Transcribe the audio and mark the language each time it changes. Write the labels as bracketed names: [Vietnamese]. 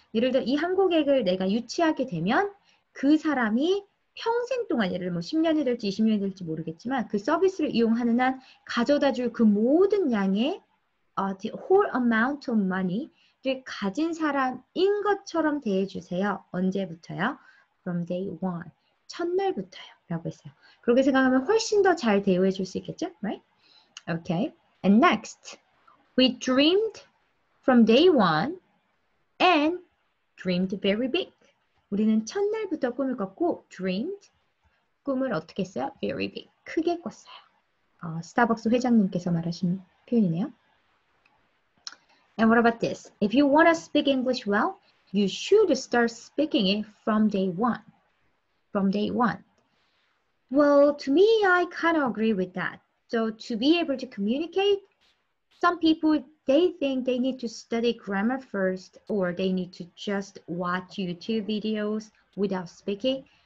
[Korean] 예를 들어 이 한 고객을 내가 유치하게 되면 그 사람이 평생 동안 예를 들어 뭐 10년이 될지 20년이 될지 모르겠지만 그 서비스를 이용하는 한 가져다 줄 그 모든 양의 [English] the whole amount of money [Korean] 를 가진 사람인 것처럼 대해주세요. 언제부터요? [English] From day one. [Korean] 첫날부터요. 라고 했어요. 그렇게 생각하면 훨씬 더 잘 대우해줄 수 있겠죠? [English] Right? Okay. And next. We dreamed from day one and dreamed very big. [Korean] 우리는 첫날부터 꿈을 꿨고 dreamed 꿈을 어떻게 했어요? [English] Very big. [Korean] 크게 꿨어요. 스타벅스 회장님께서 말하신 표현이네요. [English] And what about this? If you want to speak English well, you should start speaking it from day one. From day one. Well, to me, I kind of agree with that. So to be able to communicate, Some people, they think they need to study grammar first or they need to just watch YouTube videos without speaking.